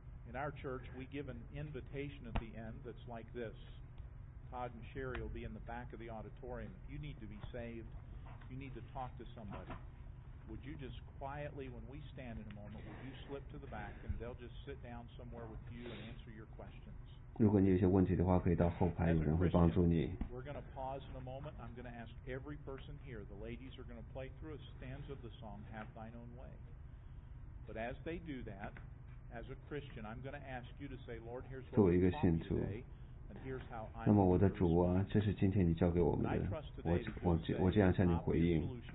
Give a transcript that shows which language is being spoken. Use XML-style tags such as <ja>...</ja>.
<en>In our church, we give an invitation at the end that's like this. Todd and Sherry will be in the back of the auditorium. If you need to be saved, you need to talk to somebody. Would you just quietly, when we stand in a moment, would you slip to the back and they'll just sit down somewhere with you and answer your questions?</en> <zh>如果你有些问题的话，可以到后排，有人会帮助你。</zh> <en>We're going to pause in a moment. I'm going to ask every person here. The ladies are going to play through a stanza of the song, Have Thine Own Way. But as they do that,As a Christian, I'm going to ask you to say, Lord, here's what I'm going to do today, and here's how I'm going to do it.</en> <zh>那么我的主啊，这是今天你交给我们的，我这样向你回应。</zh>